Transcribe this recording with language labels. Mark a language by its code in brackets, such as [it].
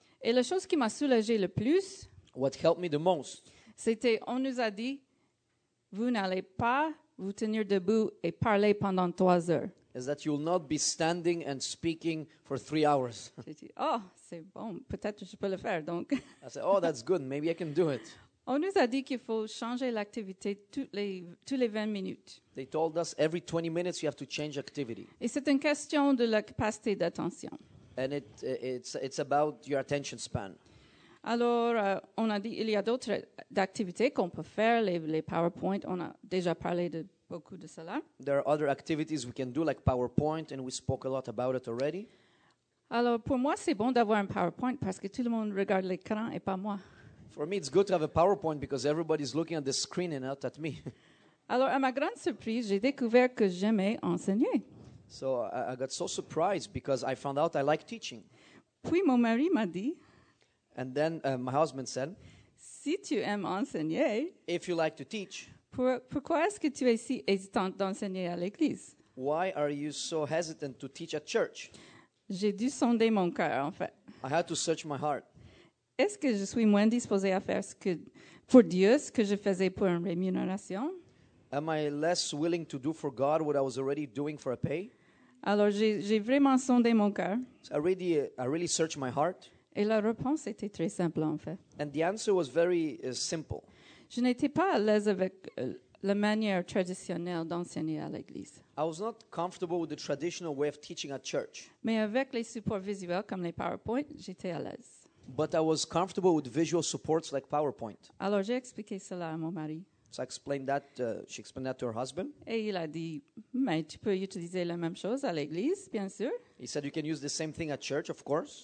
[fr] Et la chose qui m'a soulagé le plus, [en] what helped me the most, [fr] c'était on nous a dit, vous n'allez pas vous tenir debout et parler pendant 3 heures. [en] Is that you will not be standing and speaking for 3 hours. [fr] J'ai dit, oh, c'est bon, peut-être je peux le faire, donc. [en] I said, oh, that's good, maybe I can do it. [fr] On nous a dit qu'il faut changer l'activité toutes les 20 minutes. [en] They told us every 20 minutes you have to change activity. [fr] Et c'est une question de la capacité d'attention. [en] And it's about your attention span. [fr] Alors, on a dit il y a d'autres activités qu'on peut faire, les PowerPoint, on a déjà parlé de beaucoup de cela. [en] There are other activities we can do like PowerPoint and we spoke a lot about it already. [fr] Alors, pour moi, c'est bon d'avoir un PowerPoint parce que tout le monde regarde l'écran et pas moi. [en] For me, it's good to have a PowerPoint because everybody's looking at the screen and not at me. [fr] Alors, à ma grande surprise, j'ai découvert que j'aimais enseigner. [en] So I got so surprised because I found out I like teaching. [fr] Puis mon mari m'a dit. [en] And then my husband said. [fr] Si tu aimes enseigner. [en] If you like to teach. [fr] Pourquoi est-ce que tu es si hésitante d'enseigner à l'église? [en] Why are you so hesitant to teach at church? [fr] J'ai dû sonder mon cœur, en fait. [en] I had to search my heart. [fr] Est-ce que je suis moins disposé à faire ce que pour Dieu ce que je faisais pour une rémunération? [en] Am I less willing to do for God what I was already doing for a pay? [fr] Alors j'ai vraiment sondé mon cœur. [en] So I really searched my heart. [fr] Et la réponse était très simple en fait. [en] And the answer was very simple. [fr] Je n'étais pas à l'aise avec la manière traditionnelle d'enseigner à l'église. [en] I was not comfortable with the traditional way of teaching at church. [fr] Mais avec les supports visuels comme les PowerPoint, j'étais à l'aise. [en] But I was comfortable with visual supports like PowerPoint. [fr] Alors j'ai expliqué cela à mon mari. [en] So I explained that, she explained that to her husband. [fr] Et il a dit, mais tu peux utiliser la même chose à l'église, bien sûr. [en] He said, you can use the same thing at church, of course.